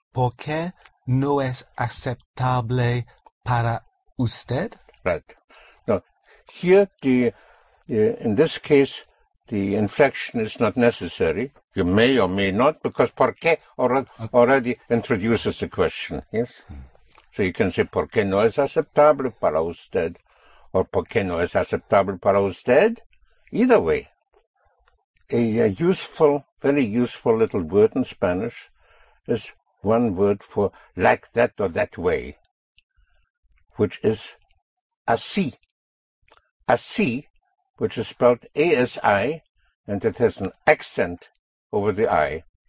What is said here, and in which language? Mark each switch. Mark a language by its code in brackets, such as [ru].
[es] Por qué no es aceptable para usted? [en] Right. Now, here, in this case, the inflection is not necessary. You may or may not, because por qué already introduces the question. Yes? So you can say, [es] por qué no es aceptable para usted? Or por qué no es aceptable para usted? [en] Either way, a very useful little word in Spanish is one word for like that or that way, which is así. Así, which is spelled A-S-I, and it has an accent over the I.